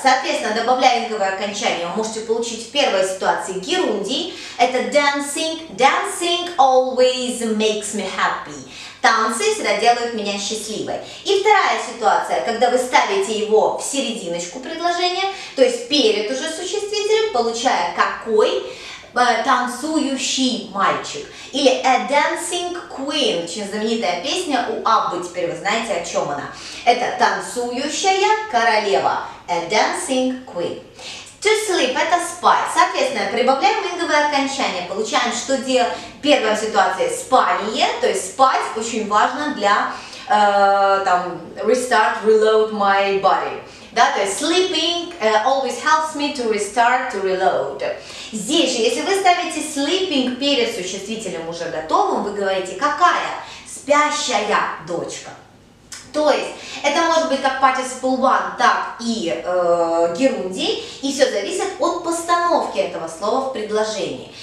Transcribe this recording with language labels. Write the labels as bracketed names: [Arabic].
[Russian] Соответственно, добавляя инговое окончание, вы можете получить в первой ситуации герундий. Это dancing. [English] Dancing always makes me happy. [Russian] Танцы всегда делают меня счастливой. И вторая ситуация, когда вы ставите его в серединочку предложения, то есть перед уже существителем, получая какой? Танцующий мальчик. Или [English] a dancing queen. [Russian] Очень знаменитая песня у Аббы. Теперь вы знаете, о чем она. Это танцующая королева. [English] A dancing queen. [Russian] To sleep – это спать. Соответственно, прибавляем инговое окончание. Получаем, что делать в первой ситуации. Спание. То есть спать очень важно для [English] restart, reload my body. [Russian] Да, то есть [English] sleeping always helps me to restart, to reload. [Russian] Здесь же, если вы ставите sleeping перед существителем уже готовым, вы говорите, какая спящая дочка. То есть, это может быть как participle 1, так и герундий, и все зависит от постановки этого слова в предложении.